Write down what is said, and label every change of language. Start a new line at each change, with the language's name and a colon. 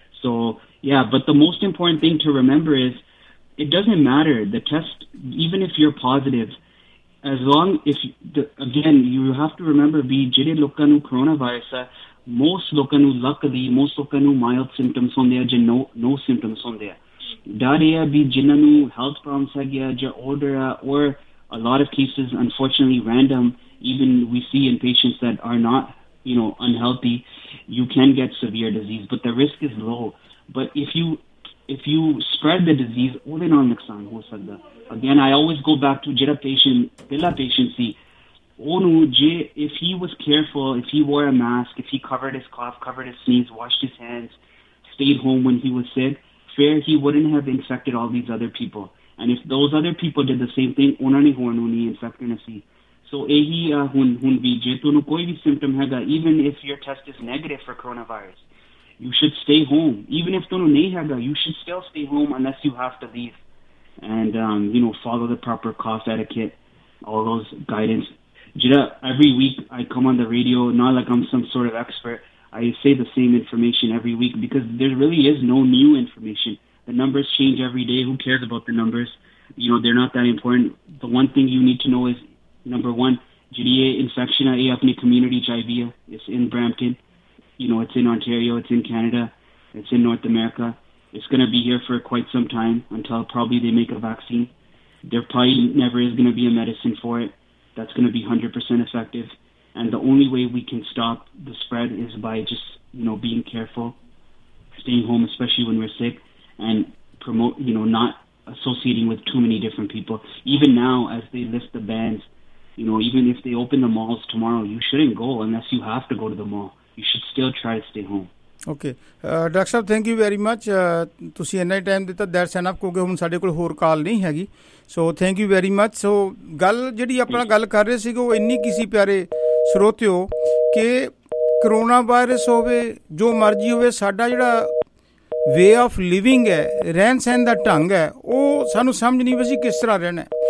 English: so yeah, but the most important thing to remember is it doesn't matter the test, even if you are positive, as long if, again you have to remember
Punjabi: ਵੀ ਜਿਹੜੇ ਲੋਕਾਂ ਨੂੰ corona virus ਆ, most ਲੋਕਾਂ ਨੂੰ ਲੱਕ ਦੀ, most ਲੋਕਾਂ ਨੂੰ mild symptoms ਹੁੰਦੇ ਆ ਜਾਂ ਨੋ ਸਿੰਪਟਮਸ ਹੁੰਦੇ ਆ। ਡਰ ਇਹ ਆ ਵੀ ਜਿਹਨਾਂ ਨੂੰ ਹੈਲਥ ਪ੍ਰੋਬਲਮਸ ਹੈਗੀ ਆ ਜਾਂ ਓਲਡਰ ਆ, ਔਰ
English: A lot of cases, unfortunately, random, even we see in patients that are not, you know, unhealthy, you can get severe disease, but the risk is low. But if you spread the disease,
Punjabi: ode naal nuksan ho sakda.
English: Again, I always go back to
Punjabi: jehda patient, pehla patient si, onu je,
English: if he was careful, if he wore a mask, if he covered his cough, covered his sneeze, washed his hands, stayed home when he was sick, fair, he wouldn't have infected all these other people. And if those other people did the same thing,
Punjabi: ਉਹਨਾਂ ਨੇ ਹੋਰ ਨੂੰ ਨਹੀਂ in fact ਹੋਣਾ ਸੀ। ਸੋ ਇਹੀ ਆ, ਹੁਣ ਵੀ ਜੇ ਤੁਹਾਨੂੰ ਕੋਈ ਵੀ ਸਿੰਪਟਮ ਹੈਗਾ,
English: Even if your test is negative for corona virus, you should stay home. Even if
Punjabi: ਤੁਹਾਨੂੰ ਨਹੀਂ ਹੈਗਾ,
English: You should still stay home unless you have to leave, and you know, follow the proper cough etiquette, all those guidance. ਜਿਹੜਾ every week I come on the radio, not like um some sort of expert, I say the same information every week, because there really is no new information. The numbers change every day. Who cares about the numbers? You know, they're not that important. The one thing you need to know is, number one, GDA infection, a apni community HIV, it's in Brampton. You know, it's in Ontario. It's in Canada. It's in North America. It's going to be here for quite some time until probably they make a vaccine. There probably never is going to be a medicine for it that's going to be 100% effective. And the only way we can stop the spread is by just, you know, being careful, staying home, especially when we're sick. And promote, you know, not associating with too many different people. Even now, as they lift the bans, you know, even if they open the malls tomorrow, you shouldn't go unless you have to go to the mall. You should still try to stay home.
Punjabi: Okay doctor Sahib,
English: thank you very much,
Punjabi: ਤੁਸੀਂ ਇੰਨਾ ਹੀ time ਦਿੱਤਾ
English: that's enough,
Punjabi: ਕਿਉਂਕਿ ਹੁਣ ਸਾਡੇ ਕੋਲ ਹੋਰ ਕਾਲ ਨਹੀਂ ਹੈਗੀ।
English: So thank you very much.
Punjabi: ਸੋ ਗੱਲ ਜਿਹੜੀ ਆਪਣਾ ਗੱਲ ਕਰ ਰਹੇ ਸੀਗੇ ਉਹ ਇੰਨੀ ਕਿਸੀ ਪਿਆਰੇ ਸਰੋਤਿਓ, ਕਿ ਕਰੋਨਾ ਵਾਇਰਸ ਹੋਵੇ ਜੋ ਮਰਜ਼ੀ ਹੋਵੇ, ਸਾਡਾ ਜਿਹੜਾ
English: way of living
Punjabi: ਹੈ, ਰਹਿਣ ਸਹਿਣ ਦਾ ਢੰਗ ਹੈ, ਉਹ ਸਾਨੂੰ ਸਮਝ ਨਹੀਂ ਵੀ ਕਿਸ ਤਰ੍ਹਾਂ ਰਹਿਣਾ।